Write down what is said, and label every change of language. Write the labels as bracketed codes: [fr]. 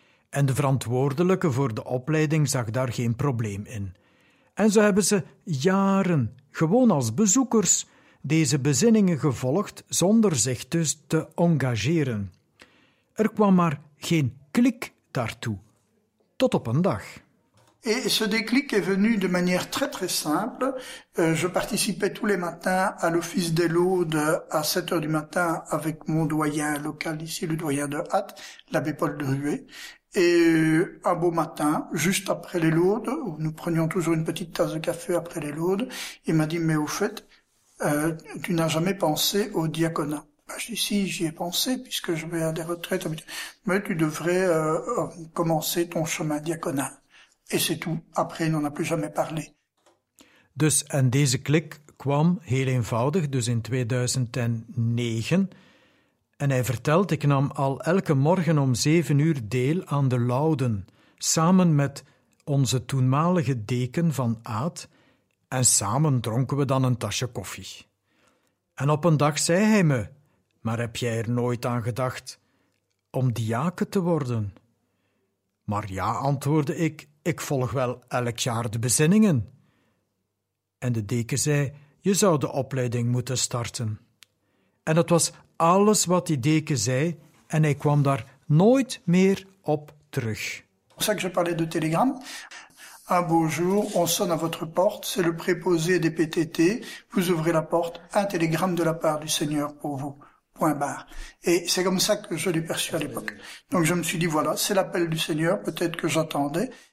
[nl] En de verantwoordelijke voor de opleiding zag daar geen probleem in. En zo hebben ze jaren, gewoon als bezoekers, deze bezinningen gevolgd zonder zich dus te engageren. Er kwam maar geen klik daartoe. Tot op een dag. [fr] Et ce déclic est venu de manière très très simple. Je participais tous les matins à l'office des Laudes à 7h du matin avec mon doyen local ici, le doyen de Hatte, l'abbé Paul de Ruet. Et un beau matin, juste après les Laudes, où nous prenions toujours une petite tasse de café après les Laudes, il m'a dit « Mais au fait, tu n'as jamais pensé au diaconat ?» Ben, je dis, si, j'y ai pensé, puisque je vais à des retraites. Mais tu devrais commencer ton chemin diaconal. Et c'est tout. Après, il n'en a plus jamais parlé. [nl] Dus, en deze klik kwam heel eenvoudig, dus in 2009. En hij vertelt, ik nam al elke morgen om 7 uur deel aan de lauden, samen met onze toenmalige deken van Aad, en samen dronken we dan een tasje koffie. En op een dag zei hij me, maar heb jij er nooit aan gedacht om diaken te worden? Maar ja, antwoordde ik volg wel elk jaar de bezinningen. En de deken zei, je zou de opleiding moeten starten. En dat was alles wat die deken zei, en hij kwam daar nooit meer op terug. [fr] C'est ça que je parlais de telegram. Un beau jour, on sonne à votre porte, c'est le préposé des PTT, vous ouvrez la porte, un télégramme de la part du Seigneur pour vous, point barre. Et c'est comme ça que je l'ai perçu à l'époque. Donc je me suis dit, voilà, c'est l'appel du Seigneur, peut-être que j'attendais.